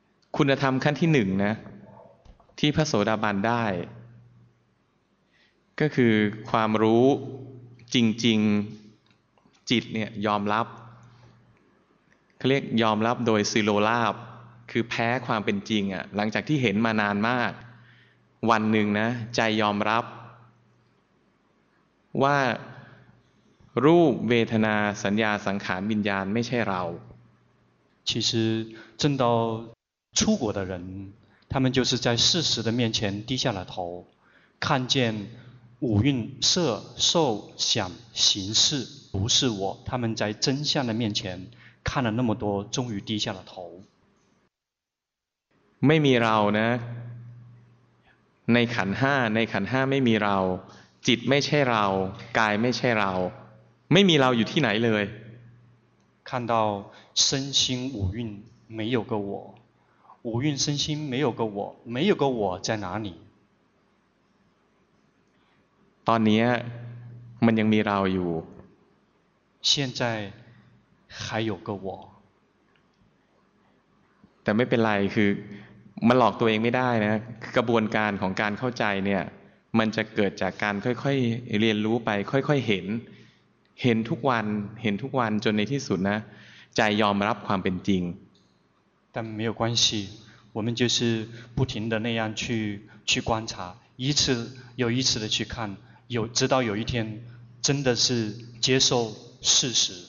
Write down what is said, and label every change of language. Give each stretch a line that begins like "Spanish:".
Thai: คุณธรรมขั้นที่หนึ่งนะที่พระโสดาบันได้ก็คือความรู้จริงๆจิตเนี่ยยอมรับเขาเรียกยอมรับโดยซิโรราบคือแพ้ความเป็นจริงอ่ะหลังจากที่เห็นมานานมากวันหนึ่งนะใจยอมรับว่ารูปเวทนาสัญญาสังขารวิญญาณไม่ใช่เรา
Chinese: 其实正到出果的人他们就是在事实的面前低下了头看见五蕴色受想行识不是我他们在真相的面前看了那么多终于低下了头
Thai: ไม่มีเรานะในขันห้าในขันห้าไม่มีเราจิตไม่ใช่เรากายไม่ใช่เราไม่มีเราอยู่ที่ไหนเลย
Chinese: 看到身心五蕴没有个我五蕴身心没有个我没有个我在哪里
Thai: ตอนนี้มันยังมีเราอยู่
Chinese: 现在还有个我
Thai: แต่ไม่เป็นไรคือมันหลอกตัวเองไม่ได้นะกระบวนการของการเข้าใจเนี่ยมันจะเกิดจากการค่อยๆเรียนรู้ไปค่อยๆเห็นทุกวันเห็นทุกวันจนในที่สุดนะใจยอมรับความเป็นจริง
Chinese: 但没有关系我们就是不停的那样去观察一次又一次的去看有直到有一天真的是接受事实